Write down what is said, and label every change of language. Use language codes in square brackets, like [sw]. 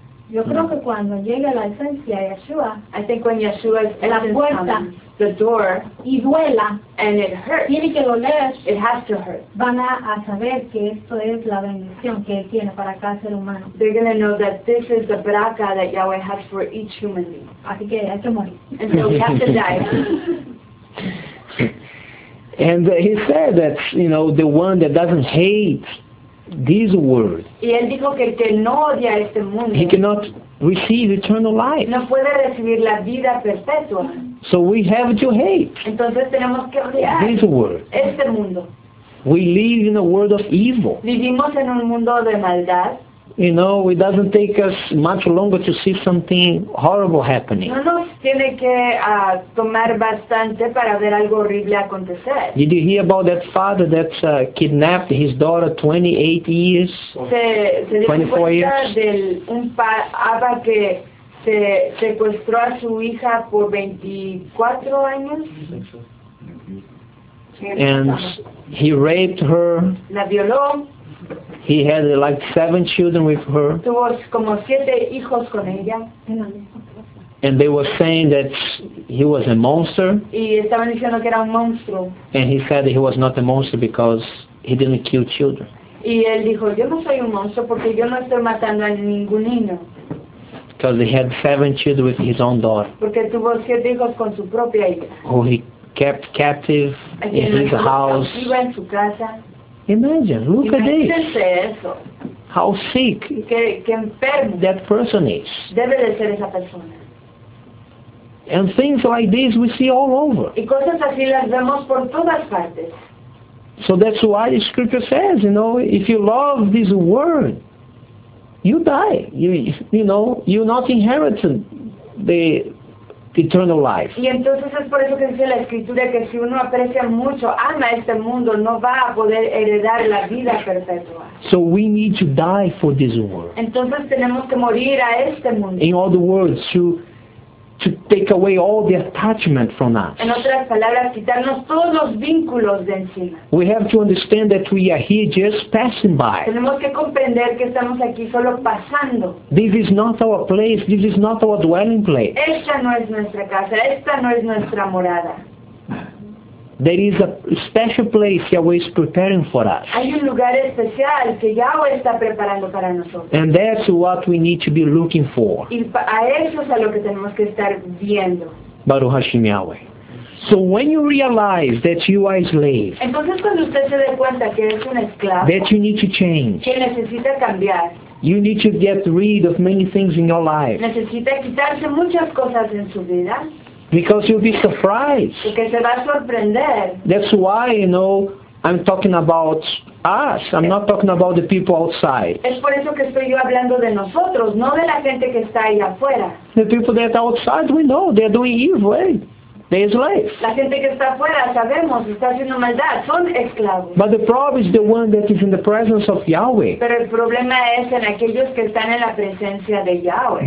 [es] Yo creo que cuando llega la esencia de Yeshua, [en] I think when Yeshua is [es] la puerta, [en] comes, the door, [es] y duela, [en] and it hurts, [es] tiene que doler, [en] it has to hurt. [es] Van a saber que esto es la bendición que él tiene para cada ser humano. [en] They're going to know that this is the bracha that Yahweh has for each human being. [es] Así que hay que morir. [en] And so we have to die. And he said that, you know, the one that doesn't hate this world, [es] y él dijo que el que no odia este mundo, [en] he cannot receive eternal life. [es] No puede recibir la vida perpetua. [en] So we have to hate. [es] Entonces tenemos que odiar [en] this world. [es] Este mundo. [en] We live in a world of evil. [es] Vivimos en un mundo de maldad. [en] You know, it doesn't take us much longer to see something horrible happening. [es] No nos tiene que tomar bastante para ver algo horrible acontecer. [en] Did you hear about that father that kidnapped his daughter 28 years? [es] Se [en] 24 years? [es] Del un papá que se secuestró a su hija por 24 años. [en] And he raped her. [es] La violó. [en] He had like 7 children with her. [es] Tuvo como 7 hijos con ella. [en] And they were saying that he was a monster. [es] Y estaban diciendo que era un monstruo. [en] And he said that he was not a monster because he didn't kill children. [es] Y él dijo, yo no soy un monstruo porque yo no estoy matando a ningún niño. [en] Because he had 7 children with his own daughter. [es] Porque tuvo 7 hijos con su propia hija. [en] Who he kept captive in his house. [es] Y en su casa. [en] Imagine, look at this. [es] Eso. [en] How sick [es] que enfermo [en] that person is. [es] Debe de ser esa persona. [en] And things like this we see all over. [es] Y cosas así las vemos por todas partes. [en] So that's why the scripture says, you know, if you love this world, you die. You know, you not inherit the eternal life. [es] Y entonces es por eso que dice la escritura que si uno aprecia mucho, ama este mundo, no va a poder heredar la vida perpetua. [en] So we need to die for this world. [es] Entonces tenemos que morir a este mundo. [en] In other words, to take away all the attachment from us. [es] En otras palabras, quitarnos todos los vínculos de encima. [en] We have to understand that we are here just passing by. [es] Tenemos que comprender que estamos aquí solo pasando. [en] This is not our place, this is not our dwelling place. [es] Esta no es nuestra casa, esta no es nuestra morada. [en] There is a special place Yahweh is preparing for us. [es] Hay un lugar especial que Yahweh está preparando para nosotros. [en] And that's what we need to be looking for. [es] Y a eso es a lo que tenemos que estar viendo. [he] Baruch Hashem Yahweh. [en] So when you realize that you are a slave, [es] entonces cuando usted se dé cuenta que es un esclavo, [en] that you need to change, [es] que necesita cambiar, [en] you need to get rid of many things in your life, [es] necesita quitarse muchas cosas en su vida, [en] because you'll be surprised. [es] Porque se va a sorprender. [en] That's why, you know, I'm talking about us. I'm not talking about the people outside. [es] Es por eso que estoy yo hablando de nosotros, no de la gente que está ahí afuera. [en] The people that are outside, we know, they're doing evil, eh? They're slaves. [es] La gente que está afuera, sabemos, está haciendo maldad, son esclavos. [en] But the problem is the one that is in the presence of Yahweh. [es] Pero el problema es en aquellos que están en la presencia de Yahweh.